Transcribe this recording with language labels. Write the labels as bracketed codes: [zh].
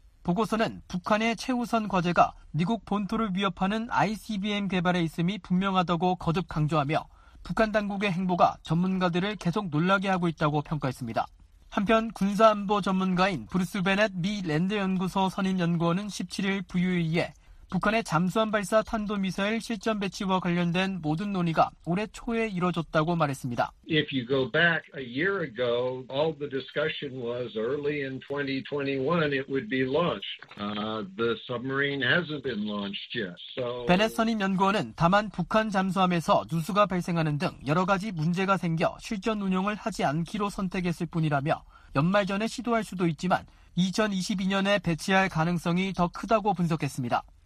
[ko] 보고서는 북한의 최우선 과제가 미국 본토를 위협하는 ICBM 개발에 있음이 분명하다고 거듭 강조하며 북한 당국의 행보가 전문가들을 계속 놀라게 하고 있다고 평가했습니다. 한편 군사안보 전문가인 브루스 베넷 미 랜드연구소 선임연구원은 17일 VOA에 북한의 잠수함 발사 탄도미사일 실전 배치와 관련된 모든 논의가 올해 초에 이뤄졌다고 말했습니다. [en] If you go back a year ago, all the discussion was early in 2021 it would be launched. The submarine hasn't been launched yet. So [ko] 베넷 선임 연구원은 다만 북한 잠수함에서 누수가 발생하는 등 여러 가지 문제가 생겨 실전 운용을 하지 않기로 선택했을 뿐이라며 연말 전에 시도할 수도 있지만 2022년에 배치할 가능성이 더 크다고 분석했습니다.